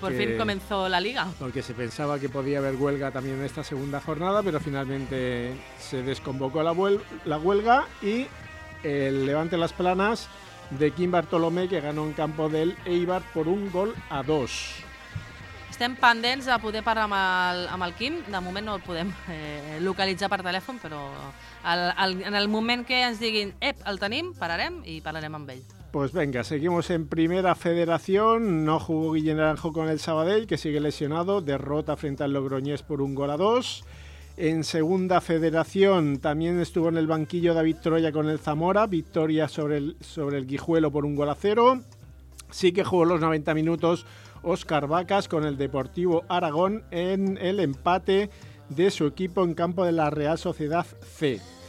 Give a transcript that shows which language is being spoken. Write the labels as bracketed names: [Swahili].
[Spanish] Por fin comenzó la liga. Porque se pensaba que podía haber huelga también en esta segunda jornada, pero finalmente se desconvocó la huelga y el Levante Las Planas de Kim Bartolomé, que ganó en campo del Eibar por 1-2. [Catalan] Estem pendents de poder parlar amb el Kim. De moment no el podem localitzar per telèfon, però en el moment que ens diguin «ep, el tenim», pararem i parlarem amb ell. [Spanish] Pues venga, seguimos en Primera Federación. No jugó Guillem Naranjo con el Sabadell, que sigue lesionado. Derrota frente al Logroñés por 1-2. En Segunda Federación también estuvo en el banquillo David Troya con el Zamora. Victoria sobre el Guijuelo por 1-0. Sí que jugó los 90 minutos Óscar Vacas con el Deportivo Aragón en el empate de su equipo en campo de la Real Sociedad C.